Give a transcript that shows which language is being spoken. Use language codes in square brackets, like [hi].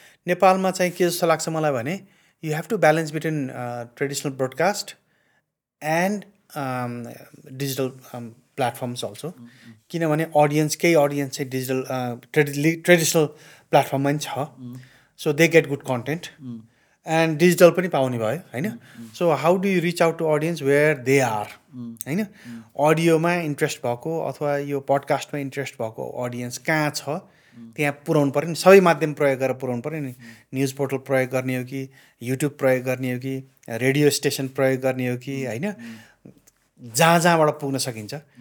[ne] नेपालमा चाहिँ के जस्तो लाग्छ मलाई भने, [en] You have to balance between traditional broadcast and digital platforms also. [ne] किनभने अडियन्स, केही अडियन्स चाहिँ डिजिटल ट्रेडिसनल प्लेटफर्ममा पनि छ, [en] so they get good content and digital [ne] पनि पाउने भयो होइन. [en] So how do you reach out to audience where they are होइन. [ne] अडियोमा इन्ट्रेस्ट भएको अथवा यो पडकास्टमा इन्ट्रेस्ट भएको अडियन्स कहाँ छ, त्यहाँ पुऱ्याउनु पऱ्यो नि. सबै माध्यम प्रयोग गरेर पुऱ्याउनु पऱ्यो नि. न्युज पोर्टल प्रयोग गर्ने हो कि, युट्युब प्रयोग गर्ने हो कि, रेडियो स्टेसन प्रयोग गर्ने हो कि, होइन, जहाँ जहाँबाट पुग्न सकिन्छ.